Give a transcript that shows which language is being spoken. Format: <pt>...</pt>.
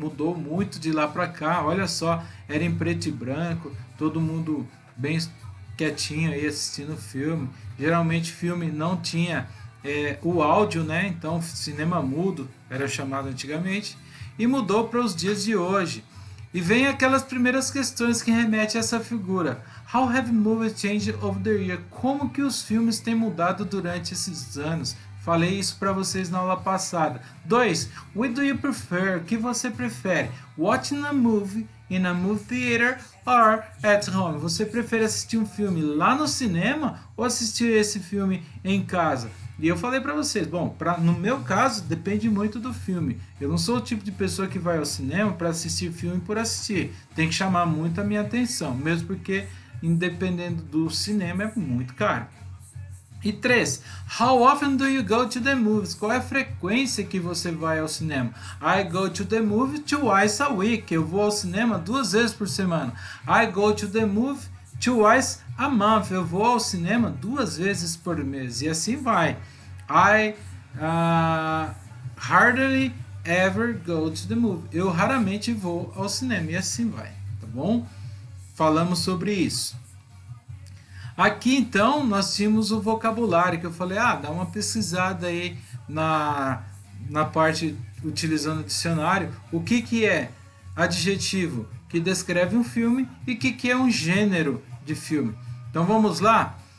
<pt>Mudou muito de lá para cá. Olha só, era em preto e branco, todo mundo bem quietinho aí assistindo o filme. Geralmente filme não tinha o áudio, né? Então cinema mudo era chamado antigamente. E mudou para os dias de hoje. E vem aquelas primeiras questões que remetem a essa figura.</pt> <en>How have movies changed over the year?</en> <pt>Como que os filmes têm mudado durante esses anos? Falei isso para vocês na aula passada. 2.</pt> <en>What do you prefer?</en> <pt>O que você prefere?</pt> <en>Watching a movie in a movie theater or at home?</en> <pt>Você prefere assistir um filme lá no cinema ou assistir esse filme em casa? E eu falei para vocês, bom, no meu caso, depende muito do filme. Eu não sou o tipo de pessoa que vai ao cinema para assistir filme por assistir. Tem que chamar muito a minha atenção, mesmo porque, independendo do cinema, é muito caro. E 3.</pt> <en>How often do you go to the movies?</en> <pt>Qual é a frequência que você vai ao cinema?</pt> <en>I go to the movies twice a week.</en> <pt>Eu vou ao cinema 2 vezes por semana.</pt> <en>I go to the movies twice a month.</en> <pt>Eu vou ao cinema 2 vezes por mês. E assim vai.</pt> <en>I hardly ever go to the movie.</en> <pt>Eu raramente vou ao cinema. E assim vai. Tá bom? Falamos sobre isso. Aqui então nós tínhamos o vocabulário que eu falei, ah, dá uma pesquisada aí na parte utilizando o dicionário. O que que é adjetivo que descreve um filme e o que que é um gênero de filme? Então vamos lá.</pt>